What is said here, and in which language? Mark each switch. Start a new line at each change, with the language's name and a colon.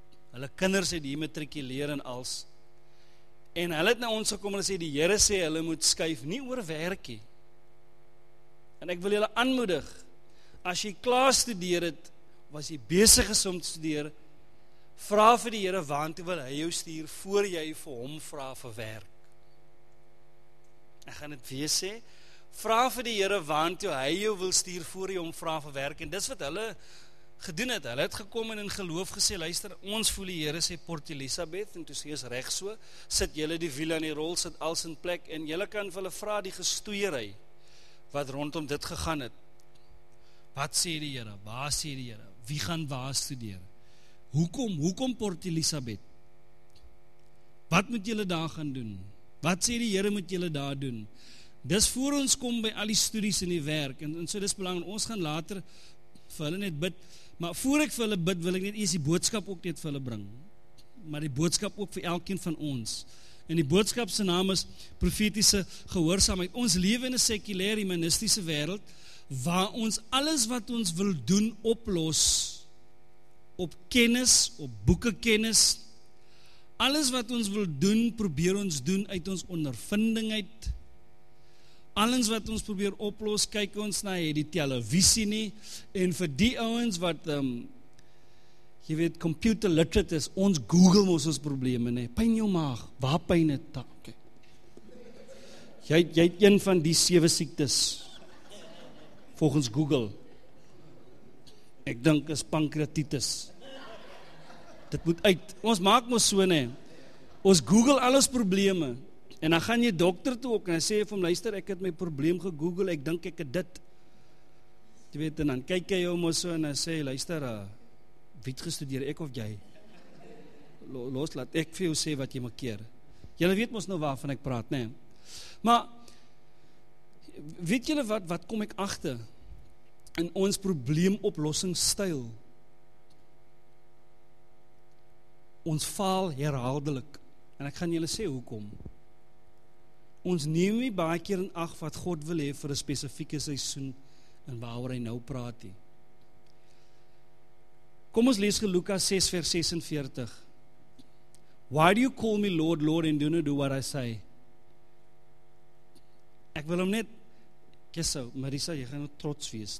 Afrikaans: Hulle kinders het hier matrikuleer en als. En hulle het na ons gekom en hulle sê, die Here sê hulle moet skuif, nie oor werkie. En ek wil julle aanmoedig, as jy klaar studeer het, of as jy besig is om te studeer, vra vir die Here waartoe wil hy jou stuur, voor jy vir hom vra vir werk. Ek gaan dit weer sê, vra vir die Here waartoe hy jou wil stuur voor jy hom vra vir werk. En dis wat hulle gedoen het. Hulle het gekom en in geloof gesê, luister, ons voel die Here sê Port Elizabeth, en toe sê is reg so, sit julle die wiele in die rol, sit als in plek, en julle kan vir hulle vra die gestoeierei wat rondom dit gegaan het. Wat sê die Here? Waar sê die Here? Wie gaan waar studeer? Hoekom Port Elizabeth? Wat moet julle daar gaan doen? Wat sê die Here moet julle daar doen? Dis voor ons kom by al die studies en die werk, en so dis belangrijk. Ons gaan later vir hulle net bid, maar voor ek vir hulle bid, wil ek net eers die boodskap ook net vir hulle bring, maar die boodskap ook vir elkeen van ons. En die boodskap se naam is profetiese gehoorsaamheid. Ons lewe in 'n sekulêre humanistiese wêreld waar ons alles wat ons wil doen oplos op kennis, op boekekennis. Alles wat ons wil doen, probeer ons doen uit ons ondervinding uit. Alles wat ons probeer oplos, kyk ons na die televisie nie. En vir die ouens wat, jy weet, computer literate is, ons Google mos ons probleme nie. Pyn jou maag, waar pyn het? Okay. Jy het een van die 7 siektes, volgens Google. Ek dink is pankreatitis. Dit moet uit, ons maak mos so nie, ons Google alles probleme, en dan gaan jy dokter toe ook, en hy sê vir hom, luister, ek het my probleem gegoogle, ek dink ek het dit, jy weet, en dan kyk hy jou mos so, en hy sê, luister, wie het gestudeer, ek of jy? Los, laat ek vir jou sê wat jy moet keer, jylle weet mos nou waarvan ek praat, nie, maar, weet jylle wat kom ek achter, in ons probleemoplossingsstyl? Ons faal herhaaldelik. En ek gaan julle sê hoekom. Ons neem nie baie keer in ag wat God wil hê vir 'n spesifieke seisoen en waaroor hy nou praat hier. Kom ons lees Lukas 6 vers 46.
English: Why do you call me Lord, Lord and do not do what I say?
Afrikaans: Ek wil hom net kisso, Marisa, jy gaan trots wees.